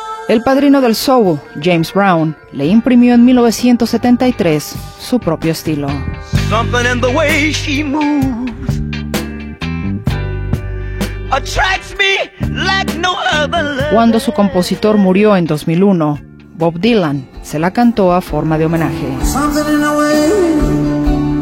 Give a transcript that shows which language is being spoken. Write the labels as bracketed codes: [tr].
[es] El padrino del soul, James Brown, le imprimió en 1973 su propio estilo. [en] Something in the way she moves attracts me like no other. [es] Cuando su compositor murió en 2001, Bob Dylan se la cantó a forma de homenaje. [en] Something in the way.